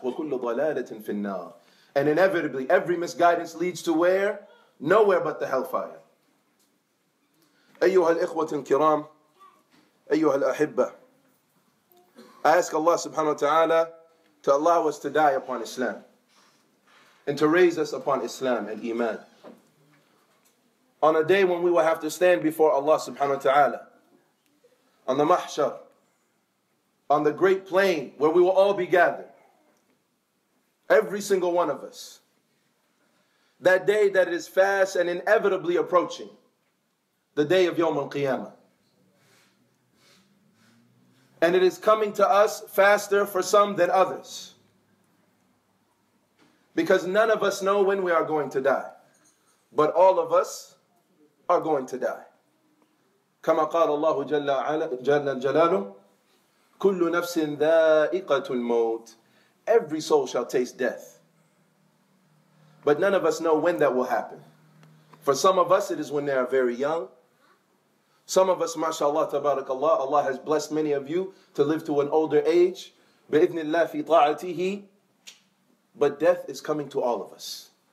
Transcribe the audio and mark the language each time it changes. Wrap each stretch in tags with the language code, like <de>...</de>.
<ar>Wa kullu dhalalatin finnar.</ar> <en>And inevitably, every misguidance leads to where? Nowhere but the hellfire.</en> <ar>أيها الإخوة الكرام أيها الأحبة.</ar> <en>I ask Allah subhanahu wa ta'ala to allow us to die upon Islam and to raise us upon Islam and Iman on a day when we will have to stand before Allah subhanahu wa ta'ala on the mahshar, on the great plain where we will all be gathered, every single one of us, that day that is fast and inevitably approaching, the day of Yawm al-Qiyamah. And it is coming to us faster for some than others. Because none of us know when we are going to die. But all of us are going to die.</en> <ar>كما قال الله جل جلاله كل نفس ذائقة الموت.</ar> <en>Every soul shall taste death. But none of us know when that will happen. For some of us, it is when they are very young. Some of us, mashallah, tabarakallah, Allah has blessed many of you to live to an older age.</en> <ar>بإذن الله في طاعته.</ar> <en>But death is coming to all of us.</en>